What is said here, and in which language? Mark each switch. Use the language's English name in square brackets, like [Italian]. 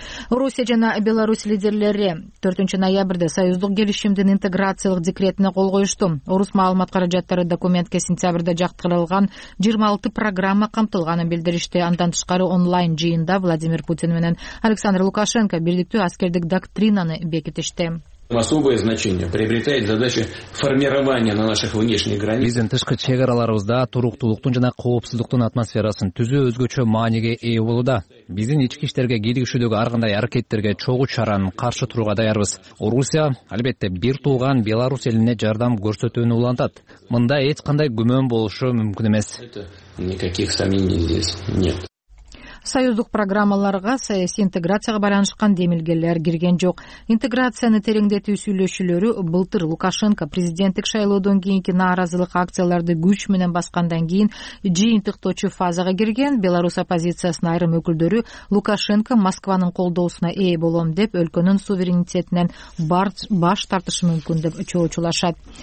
[Kyrgyz] Орусия жана Беларусь лидерлери 4 ноябрда союздук келишимдин интеграциялык декретине кол коюшту. Орус маалымат каражаттары документке сентябрда жактырылган 26 программа камтылганын билдиришти. Андан тышкары онлайн жыйында Владимир Путин менен Александр Лукашенко бирдиктүү аскердик доктринаны бекитишти. [Russian] Особое значение приобретает задача формирования на наших внешних границах. [Kyrgyz] Биздин тышкы чек араларыбызда туруктулуктун жана коопсуздуктун атмосферасын түзүү өзгөчө мааниге ээ болууда. Биздин ички иштерге кийлигишүүдөгү ар кандай аракеттерге чогуу чаранын каршы турууга даярбыз. Орусия албетте бир тууган Беларусь элине жардам көрсөтүүнү улантат. Мында эч кандай күмөн болушу мүмкүн эмес. [Russian] Никаких сомнений здесь нет. [Kyrgyz] Союздук программаларга саясий интеграцияга байланышкан демилгелер кирген жок. Интеграцияны тереңдетүү сүйлөшүүлөрү былтыр Лукашенко президенттик шайлоодон кийинки нааразылык акцияларды күч менен баскандан кийин жыйынтыктоочу фазага кирген. Беларусь оппозициясынын айрым өкүлдөрү Лукашенко Москванын колдоосуна ээ болом деп өлкөнүн суверенитетинен баш тартышы мүмкүн деп чоочулашат.